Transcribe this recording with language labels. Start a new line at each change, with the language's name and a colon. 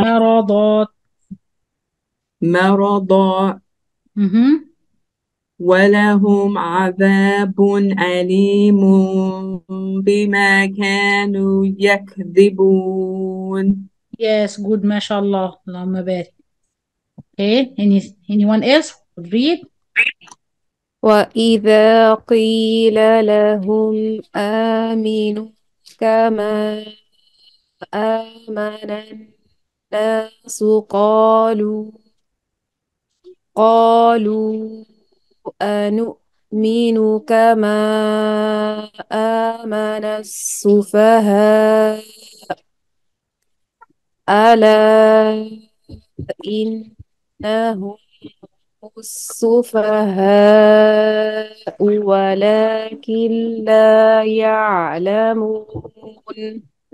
Arabic: مرضات. مرضا. Mm-hmm. ولهم عذاب أليم بما كانوا يكذبون.
English: Yes, good, mashallah. Allahumma barik. Okay, anyone else would read?
Arabic: وإذا قيل لهم آمنوا كما آمن الناس قالوا أنؤمن كما آمن السفهاء، ألا إنهم السفهاء ولكن لا يعلمون.